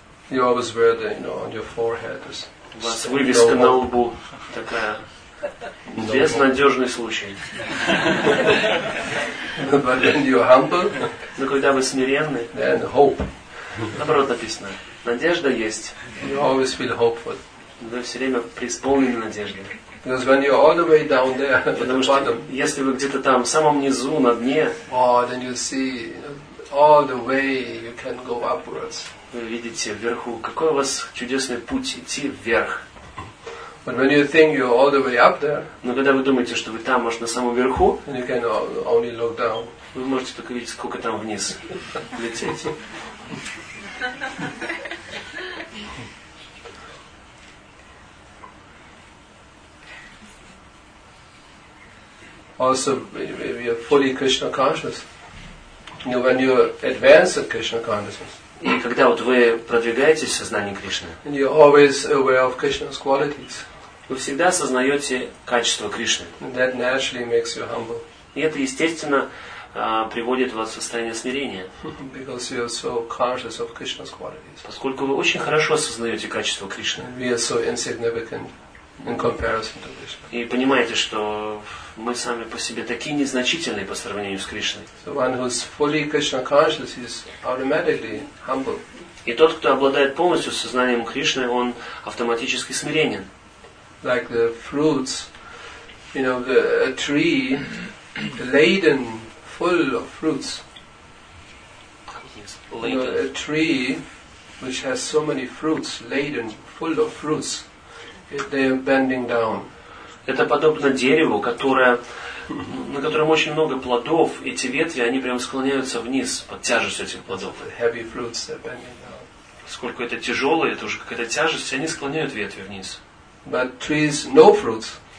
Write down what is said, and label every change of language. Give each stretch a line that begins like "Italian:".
English: You always wear the, you know, on your forehead.
Russian: У вас вывеска на лбу такая. Безнадежный случай.
English: But when you're humble.
Russian: Но когда вы смиренны.
English: Then hope.
Russian: Наоборот написано. Надежда есть.
English: You always feel hopeful.
Russian: Вы все время преисполнены надеждой.
English: Because when you're all the way down there,
Russian: потому что
English: bottom,
Russian: если вы где-то там, в самом низу, на дне.
English: Oh, then you see all the way you can go upwards.
Russian: Вы видите вверху, какой у вас чудесный путь идти вверх.
English: But when you think you're all the way up there,
Russian: но когда вы думаете, что вы там, может, на самом верху,
English: and you can only look down,
Russian: вы можете только видеть, сколько там вниз лететь.
English: Also, we are fully Krishna conscious. You know, when you advance in Krishna consciousness.
Russian: И когда вот вы продвигаетесь в сознании Кришны,
English: and you're always aware of Krishna's qualities,
Russian: вы всегда осознаете качество Кришны.
English: And that naturally makes you humble.
Russian: И это, естественно, приводит вас в состояние смирения.
English: Because you're so conscious of Krishna's qualities.
Russian: Поскольку вы очень хорошо осознаете качество Кришны.
English: We are so insignificant in comparison to Krishna.
Russian: И понимаете, что мы сами по себе такие незначительные по сравнению с Кришной.
English: So one who's fully Krishna conscious is automatically humble.
Russian: И тот, кто обладает полностью сознанием Кришны, он автоматически смиренен.
English: Like the fruits, you know, the a tree laden full of fruits. Yes, laden. You know, a tree which has so many fruits, laden full of fruits, they are bending down.
Russian: Это подобно дереву, которое, на котором очень много плодов, и эти ветви, они прям склоняются вниз под тяжестью этих плодов.
English: Heavy fruits are bending down.
Russian: Сколько это тяжелое, это уже какая-то тяжесть, они склоняют ветви вниз.
English: But trees, no fruits.